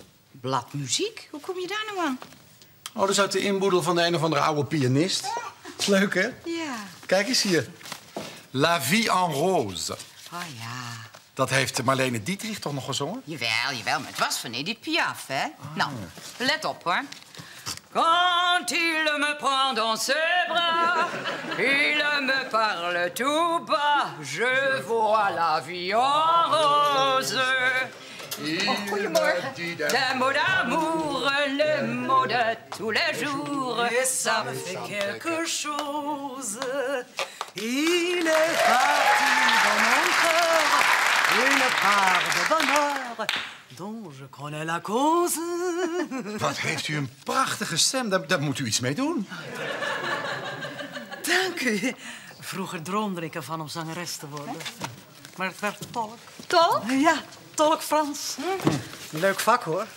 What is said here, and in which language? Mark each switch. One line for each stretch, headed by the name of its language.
Dutch: Bladmuziek? Hoe kom je daar nou aan? Oh, dat is uit de inboedel van de een of andere oude pianist. Ja. Leuk, hè? Ja. Kijk eens hier. La vie en rose. Oh, ja. Dat heeft Marlene Dietrich toch nog gezongen? Jawel, jawel. Maar het was van Edith Piaf, hè? Ah. Nou, let op, hoor.
French: Quand il me prend dans ses bras, il me parle tout bas, je vois la vie en rose.
Dutch: Goedemorgen.
French: Des mots d'amour, les mots de tous les jours, et ça me fait quelque chose. Il est parti dans mon cœur, une part de bonheur. Je connais la cause.
Dutch: Wat heeft u een prachtige stem. Daar moet u iets mee doen. Dank u. Vroeger droomde ik ervan om zangeres te worden. Maar het werd tolk. Tolk? Ja, tolk Frans. Leuk vak, hoor.